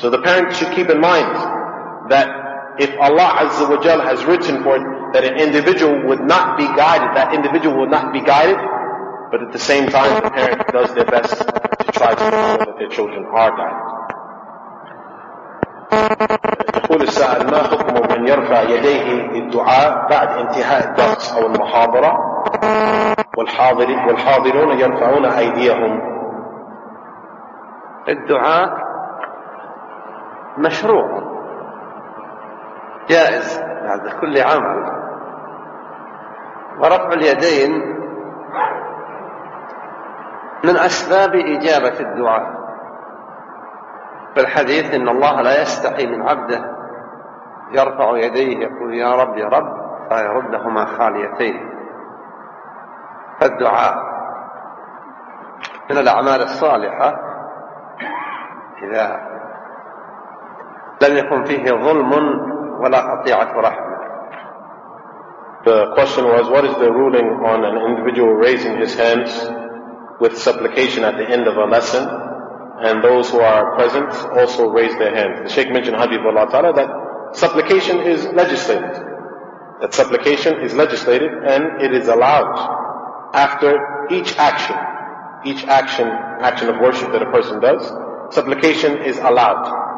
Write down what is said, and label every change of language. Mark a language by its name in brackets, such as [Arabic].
[English] So the parents should keep in mind that if Allah Azza wa Jal has written for it that an individual would not be guided, that individual would not be guided, but at the same time the parent does their best to try to ensure that their children are guided. [Arabic] يقول السائل ما حكم من يرفع يديه للدعاء بعد انتهاء الدرس أو المحاضرة والحاضرون يرفعون أيديهم؟ الدعاء مشروع جائز بعد كل عمل، ورفع اليدين من أسباب إجابة الدعاء. في الحديث إن الله لا يستحي من عبده يرفع يديه يقول يا رب يا رب فيردهما خاليتين. فالدعاء من الأعمال الصالحة إذا لم يكن فيه ظلم ولا قطيعة رحمة. [English] The question was, what is the ruling on an individual raising his hands with supplication at the end of a lesson, and those who are present also raise their hands? The Shaykh mentioned Habibullah Ta'ala that supplication is legislated. That supplication is legislated and it is allowed after each action of worship that a person does, supplication is allowed.